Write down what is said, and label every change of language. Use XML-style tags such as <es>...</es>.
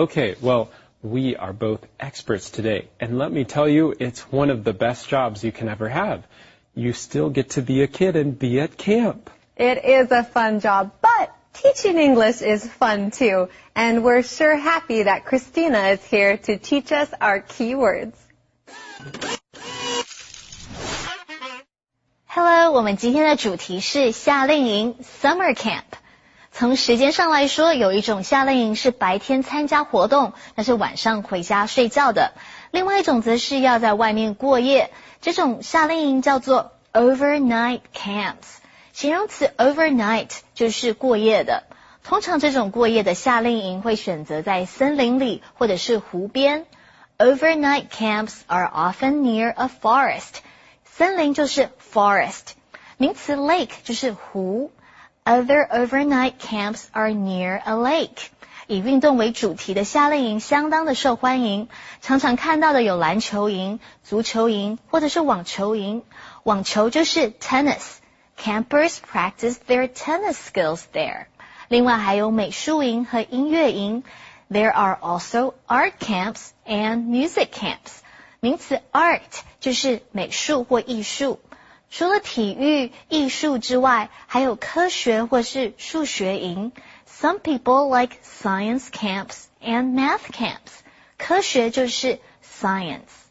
<en>Okay, well, we are both experts today. And let me tell you, it's one of the best jobs you can ever have. You still get to be a kid and be at camp. It is a fun job, but teaching English is fun too, and we're sure happy that Christina is here to teach us our keywords.</en> <zh>Hello, 我们今天的主题是夏令营 ,summer camp. 从时间上来说,有一种夏令营是白天参加活动,但是晚上回家睡觉的。另外一种则是要在外面过夜,这种夏令营叫做 overnight camps. 形容词 overnight 就是过夜的。通常这种过夜的夏令营会选择在森林里或者是湖边。</zh> <en>Overnight camps are often near a forest.</en> <zh>森林就是 forest. 名词 lake 就是湖。</zh> <en>Other overnight camps are near a lake.</en> <zh>以运动为主题的夏令营相当的受欢迎。常常看到的有篮球营、足球营或者是网球营。网球就是 tennis.</zh> <en>Campers practice their tennis skills there.</en> <zh>另外还有美术营和音乐营。</zh> <en>There are also art camps and music camps.</en> <zh>名词 art 就是美术或艺术。除了体育、艺术之外，还有科学或是数学营。</zh> <en>Some people like science camps and math camps.</en> <zh>科学就是 science.</zh>